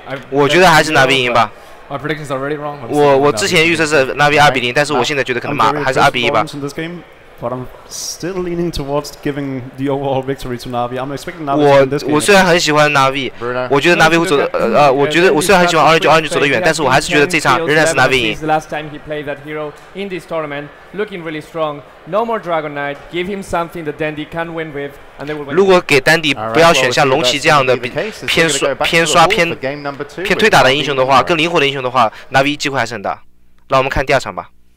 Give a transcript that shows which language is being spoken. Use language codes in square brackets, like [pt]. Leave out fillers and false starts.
[zh] 我觉得还是Navi赢吧。我之前预测是Navi 2-0，但是我现在觉得可能还是2-1吧。 [en] But I'm still leaning towards giving the overall victory to Navi. I'm expecting Navi. [zh] 我虽然很喜欢 Navi， 我觉得 Navi 会走的我觉得我虽然很喜欢 Orange 走得远，但是我还是觉得这场仍然是 Navi 赢。 [en] The last time he played that hero in this tournament, looking really strong. No more Dragon Knight. Give him something that Dandy can win with, and they will win. [zh] 如果给 Dandy 不要选像龙骑这样的偏刷偏推打的英雄的话，更灵活的英雄的话 ，Navi 机会还是很大。那我们看第二场吧。